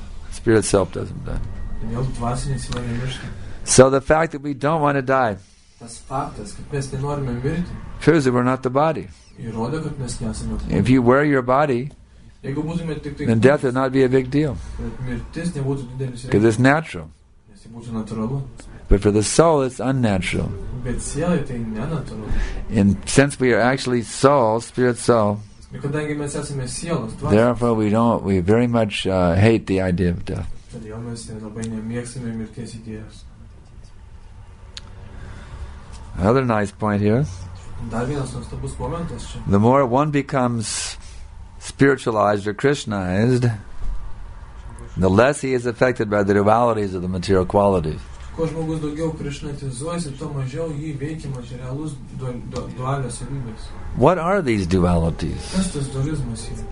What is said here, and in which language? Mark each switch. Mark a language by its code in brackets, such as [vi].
[en] Spirit self doesn't die. So the fact that we don't want to die, [lt] tas faktas, kad mes nenorime mirti, [en] proves that we're not the body. [lt] Įrodo, kad mes nesame [en] tai. If you were your body, [lt] jeigu būtume tik tai, [en] then death would not be a big deal. [lt] Mirtis nebūtų didelis. [en] Because it's natural. [lt] Nes būtų natūralu. [en] But for the soul, it's unnatural. [lt] Bet sielai tai nenatūralu. [en] And since we are actually soul, spirit soul, [lt] kadangi mes esame sielos, dvasios, [en] therefore we very much hate the idea of death. [lt] Todėl mes labai nemėgsime mirties idėjos. [en] Another nice point here. The more one becomes spiritualized or Krishnaized, the less he is affected by the dualities of the material qualities. What are these dualities?